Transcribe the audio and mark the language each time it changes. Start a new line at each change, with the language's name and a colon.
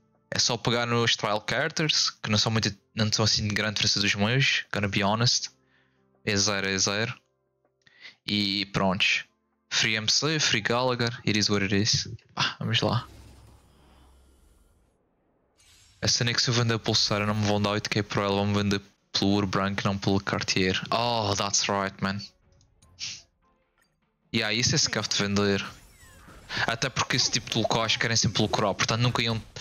Portuguese: É só pegar nos trial characters, que não são muito, não são assim de grande diferença dos meus,
English: gonna be honest.
Portuguese: É zero, é zero. E prontos.
English: Free MC, Free Gallagher, it is what it is.
Portuguese: Ah, vamos lá. A cena é que se eu vender a pulseira não me vão dar 8k por ela, vão vender pelo Urbrank, não pelo Cartier.
English: Oh, that's right, man. Yeah,
Portuguese: isso é scuff de vender. Até porque esse tipo de locais querem sempre lucrar, portanto nunca iam.